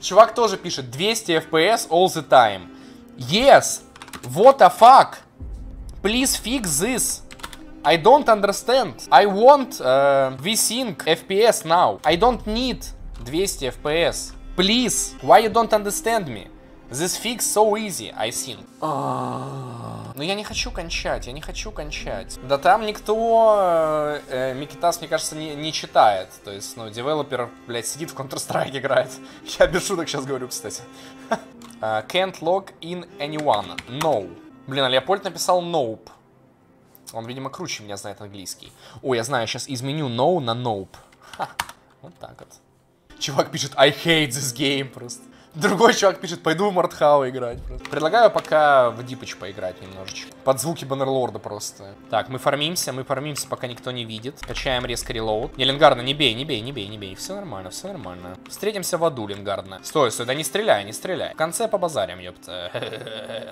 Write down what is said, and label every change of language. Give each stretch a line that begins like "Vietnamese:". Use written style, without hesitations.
Russian: Чувак тоже пишет
English: 200 FPS all the time. Yes. What the fuck? Please fix this. I don't understand. I want VSync FPS now. I don't need 200 FPS. Please, why you don't understand me? This fix so easy, I think.
Russian: Но я не хочу кончать, я не хочу кончать. Да там никто, Микитас, мне кажется, не читает. То есть, ну, девелопер, блядь, сидит в Counter-Strike играет. Я без шуток сейчас говорю, кстати.
English: Can't log in anyone. No.
Russian: Блин, а Леопольд написал nope. Он, видимо, круче меня знает английский. Ой, я знаю, сейчас изменю no на nope. Ха, вот так вот. Чувак пишет,
English: I hate this game
Russian: просто. Другой чувак пишет, пойду в Мартхау играть просто. Предлагаю пока в Дипыч поиграть немножечко. Под звуки Баннерлорда просто. Так, мы фармимся, пока никто не видит. Качаем резко релоуд. Не, Лингарда, не бей. Все нормально. Встретимся в аду, Лингарда. Стой, да не стреляй. В конце побазарим, ёпта.